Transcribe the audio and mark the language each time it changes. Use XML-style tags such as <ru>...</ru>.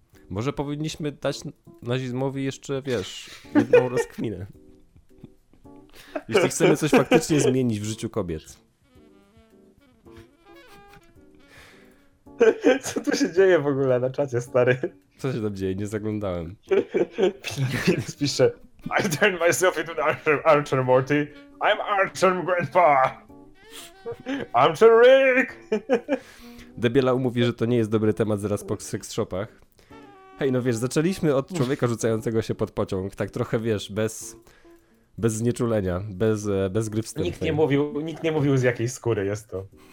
<pl>Może powinniśmy dać nazizmowi jeszcze, wiesz, jedną rozkminę. Jeśli chcemy coś faktycznie zmienić w życiu kobiet. Co tu się dzieje w ogóle na czacie, stary? Co się tam dzieje? Nie zaglądałem. Spiszę.</pl> <en>I turned myself into Archer Morty. I'm Archer Grandpa. Archer Rick.</en> <pl>Debielał mówi, że to nie jest dobry temat zaraz po sex shopach. Hej, no wiesz, zaczęliśmy od człowieka rzucającego się pod pociąg. Tak trochę, wiesz, bez znieczulenia, bez gry wstępnej. Nikt nie mówił z jakiej skóry jest to.</pl>